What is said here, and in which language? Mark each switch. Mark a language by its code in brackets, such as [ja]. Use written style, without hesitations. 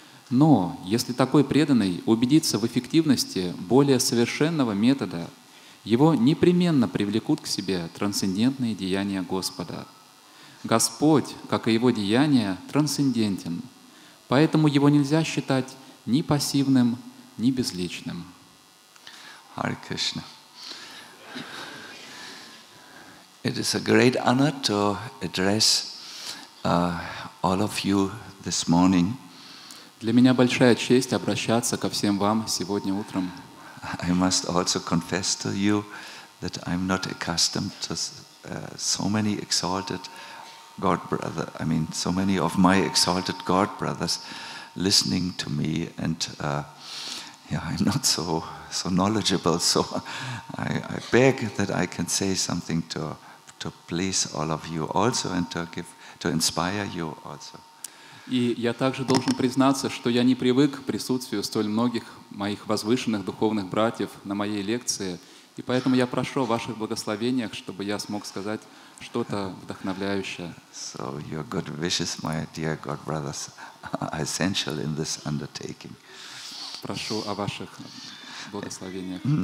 [ru] Но если такой преданный убедится в эффективности более совершенного метода, его непременно привлекут к себе трансцендентные деяния Господа. Господь, как и его деяния, трансцендентен, поэтому его нельзя считать ни пассивным, ни безличным. [en] Hare Krishna. It is a great honor to address all of you this morning. [ru] Для меня большая честь обращаться ко всем вам сегодня утром. [en] I must also confess to you that I'm not accustomed to so many exalted God brother. I mean, so many of my exalted God brothers listening to me, and I'm not so knowledgeable. So I beg that I can say something to please all of you also, and to inspire you also. [ru] И я также должен признаться, что я не привык к присутствию столь многих моих возвышенных духовных братьев на моей лекции, и поэтому я прошу ваших благословениях, чтобы я смог сказать что-то вдохновляющее. [en] So your good wishes, my dear God brothers, are essential in this undertaking. [ru] Прошу о ваших благословениях.